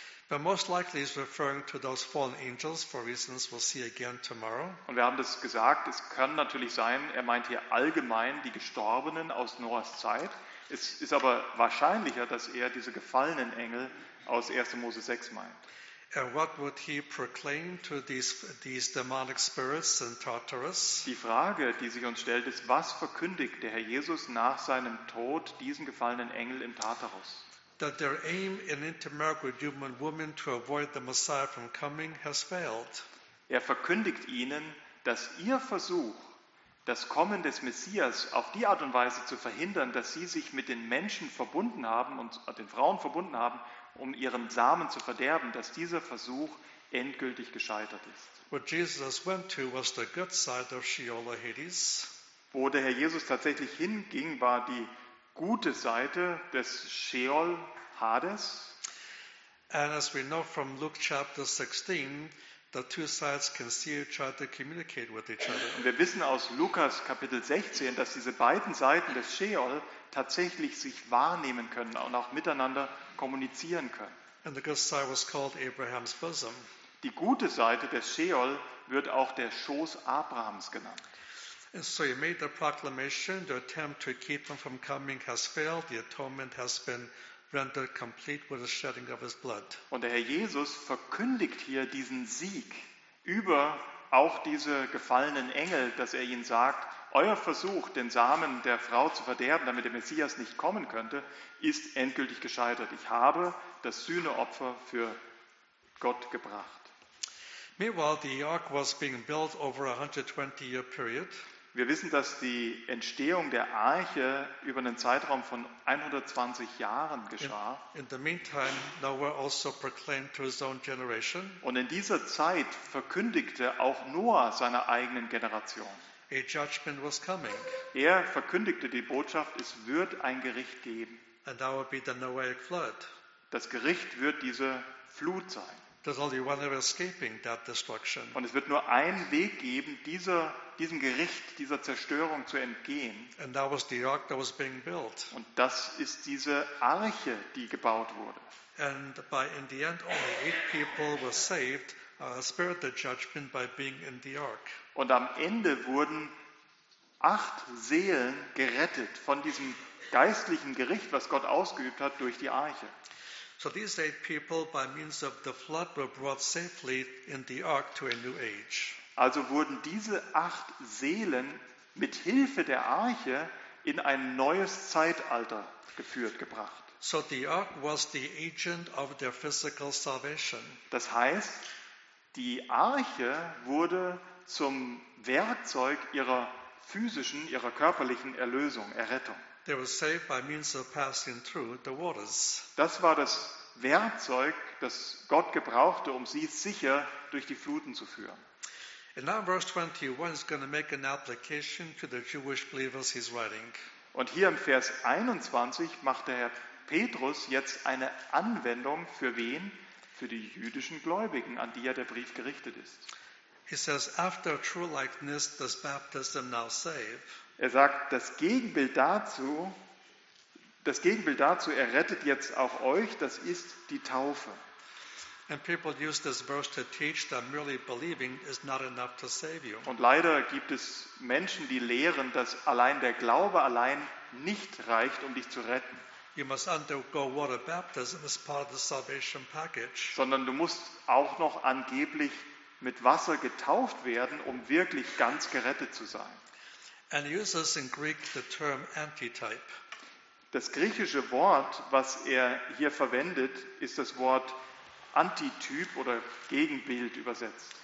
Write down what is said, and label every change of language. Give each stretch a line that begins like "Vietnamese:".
English: But most likely he's referring to those fallen angels for reasons we'll see again tomorrow.
German: Und wir haben das gesagt, es kann natürlich sein, er meint hier allgemein die Gestorbenen aus Noahs Zeit. Es ist aber wahrscheinlicher, dass er diese gefallenen Engel aus 1. Mose 6 meint.
English: And what would he proclaim to these demonic spirits in Tartarus?
German: Die Frage, die sich uns stellt, ist, was verkündigt der Herr Jesus nach seinem Tod diesen gefallenen Engel in Tartarus?
English: That their aim in intermarriage with human women to avoid the Messiah from coming has failed.
German: Er verkündigt ihnen, dass ihr Versuch, das Kommen des Messias auf die Art und Weise zu verhindern, dass sie sich mit den Menschen verbunden haben und den Frauen verbunden haben, um ihren Samen zu verderben, dass dieser Versuch endgültig gescheitert ist.
English: What Jesus went to was the good side of Sheol or Hades.
German: Wo der Herr Jesus tatsächlich hinging, war die gute Seite des Sheol Hades.
English: And as we know from Luke chapter 16, the two sides can see each other, communicate with each other.
German: Und wir wissen aus Lukas Kapitel 16, dass diese beiden Seiten des Sheol tatsächlich sich wahrnehmen können und auch miteinander kommunizieren können.
English: And the good side was called Abraham's bosom.
German: Die gute Seite des Sheol wird auch der Schoß Abrahams genannt.
English: And so he made the proclamation, the attempt to keep him from coming has failed, the atonement has been rendered complete with the shedding of his blood.
German: Und der Herr Jesus verkündigt hier diesen Sieg über auch diese gefallenen Engel, dass er ihnen sagt, euer Versuch, den Samen der Frau zu verderben, damit der Messias nicht kommen könnte, ist endgültig gescheitert. Ich habe das Sühneopfer für Gott gebracht.
English: Meanwhile, the ark was being built over a 120-year period.
German: Wir wissen, dass die Entstehung der Arche über einen Zeitraum von 120 Jahren geschah.
English: In the meantime, Noah also proclaimed to his own generation.
German: Und in dieser Zeit verkündigte auch Noah seiner eigenen Generation.
English: A judgment was coming.
German: Er verkündigte die Botschaft, es wird ein Gericht geben.
English: And that would be the Noahic flood.
German: Das Gericht wird diese Flut sein.
English: There's only one way of escaping that destruction.
German: Und es wird nur einen Weg geben, diesem Gericht, dieser Zerstörung zu entgehen.
English: And that was the ark that was being built.
German: Und das ist diese Arche, die gebaut wurde.
English: And by in the end only 8 people were saved, spared the judgment by being in the ark.
German: Und am Ende wurden 8 Seelen gerettet von diesem geistlichen Gericht, was Gott ausgeübt hat durch die Arche.
English: So these 8 people by means of the flood were brought safely in the ark to a new age.
German: Also wurden diese 8 Seelen mit Hilfe der Arche in ein neues Zeitalter geführt, gebracht.
English: So the ark was the agent of their physical salvation.
German: Das heißt, die Arche wurde zum Werkzeug ihrer physischen, ihrer körperlichen Erlösung, Errettung.
English: They were saved by means of passing through the waters.
German: Das war das Werkzeug, das Gott gebrauchte, um sie sicher durch die Fluten zu führen.
English: And now verse 21 is going to make an application to the Jewish believers he's writing.
German: Und hier im Vers 21 macht der Herr Petrus jetzt eine Anwendung für wen? Für die jüdischen Gläubigen, an die ja der Brief gerichtet ist.
English: He says, after true likeness does baptism now save.
German: Er sagt, das Gegenbild dazu errettet jetzt auch euch, das ist die Taufe.
English: And people use this verse to teach that merely believing is not enough to save you.
German: Und leider gibt es Menschen, die lehren, dass allein der Glaube allein nicht reicht, um dich zu retten.
English: You must undergo water baptism as part of the salvation package.
German: Sondern du musst auch noch angeblich mit Wasser getauft werden, um wirklich ganz gerettet zu sein.
English: And uses in Greek the term antitype.
German: Das griechische Wort, was er hier verwendet, ist das Wort Antityp oder Gegenbild übersetzt.